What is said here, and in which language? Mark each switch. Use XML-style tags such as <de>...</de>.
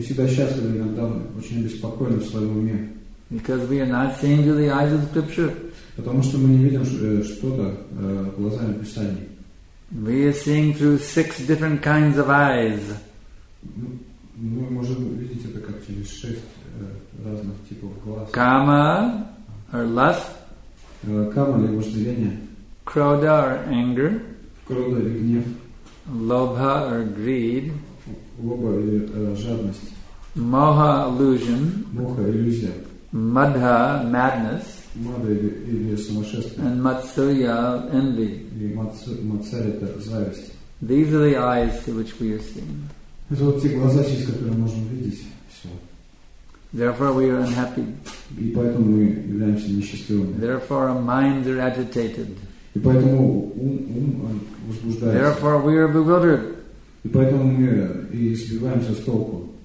<en>Because we are not seeing through the eyes of Scripture. We are seeing through six different kinds of eyes.</en> <ru>Мы можем видеть это как через шесть разных типов глаз.</ru> <en>Кама, or lust.</en> <ru>Кама или вожделение.</ru> <en>Крода, or anger.</en> <ru>Крода или гнев.</ru> <en>Лобха, or greed.</en> <ru>Лоба или жадность.</ru> <en>Моха, illusion.</en> <ru>Моха, иллюзия.</ru> <en>Мадха, madness.</en> <ru>Мада или сумасшествие.</ru> <en>And Матсуя, envy.</en> <ru>И Матсуя, это зависть.</ru> <en>These are the eyes through which we are seeing.</en> <ru>Это вот те глаза, через которые можем видеть все.</ru> <en>Therefore we are unhappy.</en> <ru>И поэтому мы являемся несчастливыми.</ru> <en>Therefore our minds are agitated.</en> <ru>И поэтому ум возбуждается.</ru> <en>Therefore we are bewildered.</en> <ru>И И поэтому мы и сбиваемся с толку.</ru>